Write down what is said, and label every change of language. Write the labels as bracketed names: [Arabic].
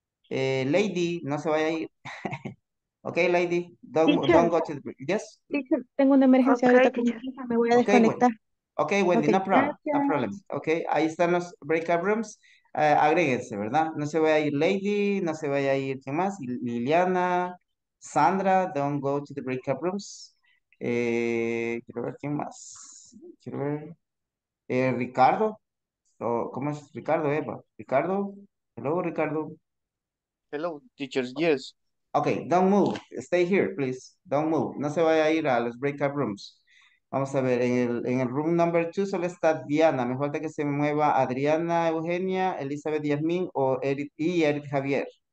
[Spanish] Lady, no se vaya a ir. Ok, Lady. [English] Don't go to the break. Yes. [Spanish] Teacher, tengo una emergencia ahorita. Me voy a desconectar. [English] Okay, ok, Wendy, okay, no problem. Ok, [Spanish] ahí están los breakout rooms. Agréguense, ¿verdad? No se vaya a ir Lady, no se vaya a ir, ¿qué más? [English] Liliana, Sandra, don't go to the breakout rooms. [Spanish] Quiero ver, ¿quién más? Quiero ver. Ricardo. ¿Cómo es Ricardo, Eva? Ricardo. Hello, Ricardo. [English] Hello, teachers, yes. Okay, don't move. Stay here, please. Don't move. [Spanish] No se vaya a ir a los breakout rooms. Vamos a ver, en el room number 2 solo está Diana. Me falta que se mueva Adriana, Eugenia, Elizabeth, Yasmin o Edith Javier.